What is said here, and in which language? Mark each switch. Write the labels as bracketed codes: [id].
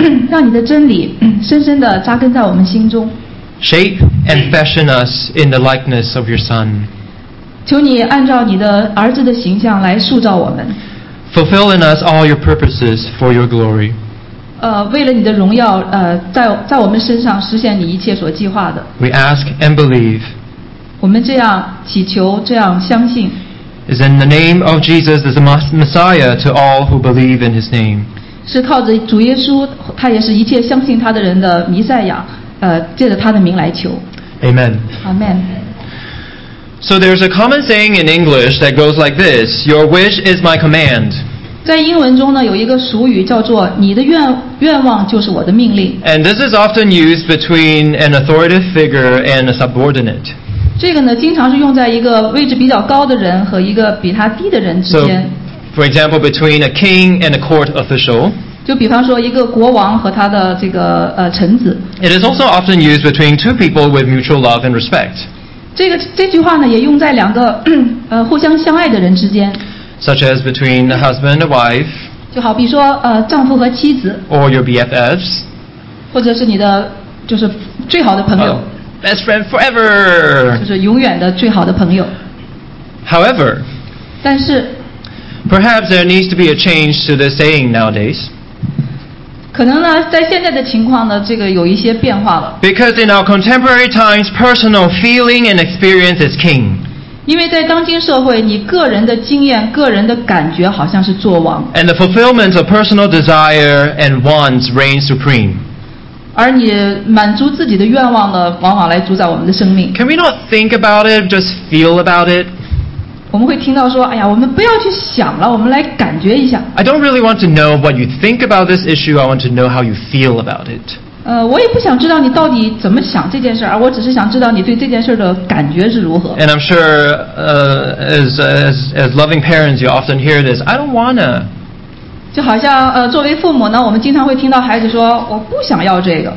[zh] 让你的真理深深地扎根在我们心中。 [en] Shape and fashion us in the likeness of your Son. [zh] 求你按照你的儿子的形象来塑造我们。 [en] Fulfill in us all your purposes for your glory. [zh] 为了你的荣耀，在我们身上实现你一切所计划的。 [en] We ask and believe. [zh] 我们这样祈求，这样相信。 [en] Is in the name of Jesus as the Messiah to all who believe in His name. [zh] 是靠着主耶稣，他也是一切相信他的人的弥赛亚，借着他的名来求。 [en] Amen. Amen. So there's a common saying in English that goes like this: Your wish is my command. [zh] 在英文中呢，有一个俗语叫做“你的愿望就是我的命令”。 [en] And this is often used between an authoritative figure and a subordinate. [zh] 这个呢，经常是用在一个位置比较高的人和一个比他低的人之间。 [en] So, for example, between a king and a court official. [zh] 就比方说一个国王和他的这个臣子。 [en] It is also often used between two people with mutual love and respect. [zh] 这句话呢，也用在两个互相相爱的人之间。 [en] Such as between a husband and wife. [zh] 就好比说丈夫和妻子。 [en] Or your BFFs. [zh] 或者是你的就是最好的朋友。 [en] Best friend forever. [zh] 就是永远的最好的朋友。 [en] However, [zh] 但是 [en] perhaps there needs to be a change to the saying nowadays. [zh] 可能呢，在现在的情况呢，这个有一些变化了。 [en] Because in our contemporary times, personal feeling and experience is king. [zh] 因为在当今社会，你个人的经验、个人的感觉好像是作王。 [en] And the fulfillment of personal desire and wants reign supreme. [zh] 而你满足自己的愿望呢，往往来主宰我们的生命。 [en] Can we not think about it, just feel about it? [zh] 我们会听到说，哎呀，我们不要去想了，我们来感觉一下。 [en] I don't really want to know what you think about this issue. I want to know how you feel about it. [zh] 我也不想知道你到底怎么想这件事，而我只是想知道你对这件事的感觉是如何。 [en] And I'm sure, as loving parents, you often hear this. I don't wanna. [zh] 就好像作为父母呢，我们经常会听到孩子说我不想要这个。